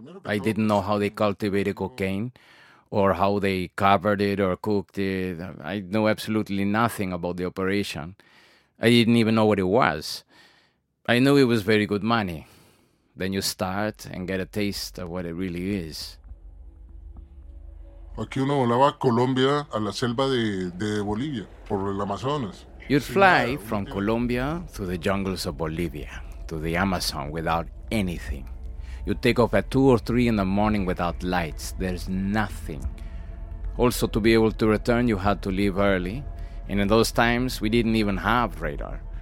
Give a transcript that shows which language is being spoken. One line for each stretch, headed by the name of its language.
English: I didn't know how they cultivated cocaine or how they covered it or cooked it. I knew absolutely nothing about the operation. I didn't even know what it was. I knew it was very good money. Then you start and get a taste of what it really is.
Spanish: Aquí uno volaba a Colombia, a la selva de Bolivia, por el Amazonas.
English: You'd fly from Colombia through the jungles of Bolivia to the Amazon without anything. You'd take off at 2 or 3 in the morning without lights. There's nothing. Also, to be able to return, you had to leave early. And in those times, we didn't even have radar.